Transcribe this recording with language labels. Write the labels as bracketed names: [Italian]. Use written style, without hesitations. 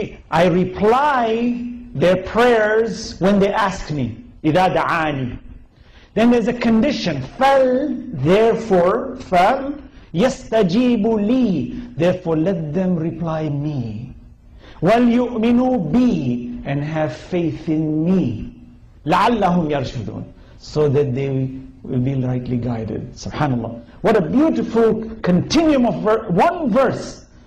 [English] I reply their prayers when they ask me. [Arabic] إِذَا دَعَانِ. [English] Then there's a condition. [Arabic] فَلْ, [English] therefore, [Arabic] فَلْ يَسْتَجِيبُ لِي. [English] Therefore, let them reply me. [Arabic] وَلْيُؤْمِنُوا بِي. [English] And have faith in me. [Arabic] لَعَلَّهُمْ يَرْشُدُونَ. [English] So that they will be rightly guided. SubhanAllah. What a beautiful continuum of one verse.